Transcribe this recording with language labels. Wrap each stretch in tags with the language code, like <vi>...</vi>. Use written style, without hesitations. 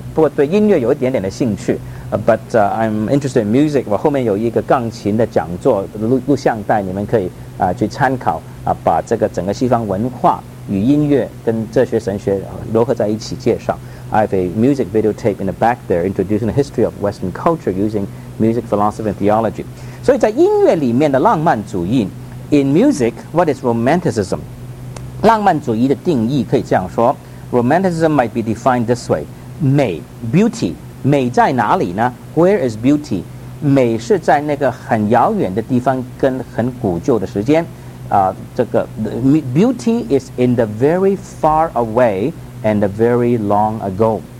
<zh>不过对音乐有一点点的兴趣。</zh> <en>I'm interested in music.</en> <zh>我后面有一个钢琴的讲座录像带，你们可以去参考把这个整个西方文化与音乐跟哲学神学融合在一起介绍。</zh> <en>I have a music videotape in the back there introducing the history of Western culture using music, philosophy, and theology.</en> <zh>所以在音乐里面的浪漫主义</zh> <en>,in music, what is romanticism?</en> <zh>浪漫主义的定义可以这样说</zh> <en>,romanticism might be defined this way, 美 ,beauty,</en> <zh>美在哪里呢</zh> <en>?Where is beauty?</en> <zh>美是在那个很遥远的地方跟很古旧的时间。</zh> <en>这个 beauty is in the very far away and the very long ago.</en>